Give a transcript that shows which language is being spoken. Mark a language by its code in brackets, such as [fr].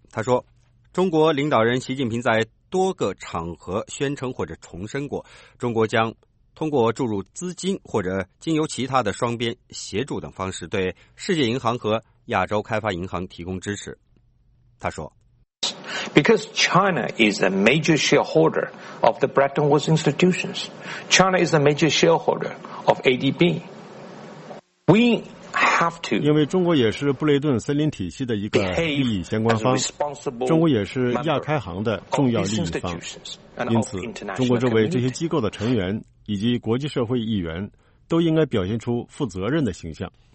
[zh] 他说，中国领导人习近平在多个场合宣称或者重申过，中国将通过注入资金或者经由其他的双边协助等方式对世界银行和亚洲开发银行提供支持。他说 [en] Because China is a major shareholder of the Bretton Woods institutions. China is a major shareholder of ADB. We have to [zh] 因为中国也是布雷顿森林体系的一个利益相关方，中国也是亚开行的重要利益方，因此中国周围这些机构的成员以及国际社会议员都应该表现出负责任的形象。